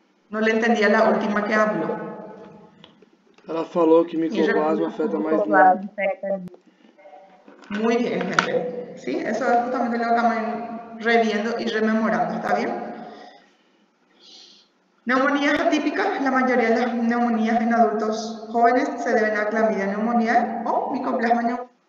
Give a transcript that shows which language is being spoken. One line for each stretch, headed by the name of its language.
Spanish: No le entendí a la última que habló.
Portuguese: Ela falou que micoplasma afeta mais
Spanish: nada. Muy bien, gente. Sí, eso es justamente lo que estamos reviendo y rememorando, ¿está bien? Neumonías atípicas. La mayoría de las neumonías en adultos jóvenes se deben a clamidia neumoniae o micoplasma neumoniae.